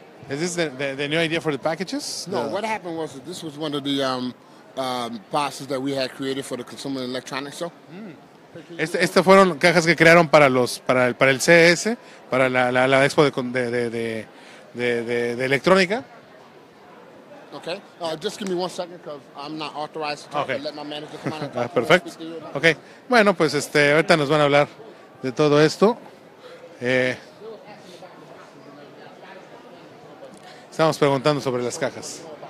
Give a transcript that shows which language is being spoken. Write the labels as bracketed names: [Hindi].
[English] Is this the new idea for the packages? No, what happened was that this was one of the boxes that we had created for the Consumer Electronics Show. [Spanish] Estas fueron cajas que crearon para el CES, para la expo de electrónica. [English] Okay. Just give me one second because I'm not authorized to talk. Okay. Let my manager come on and talk. Perfect. Okay. [Spanish] Bueno, pues ahorita nos van a hablar de todo esto. Estamos preguntando sobre las cajas.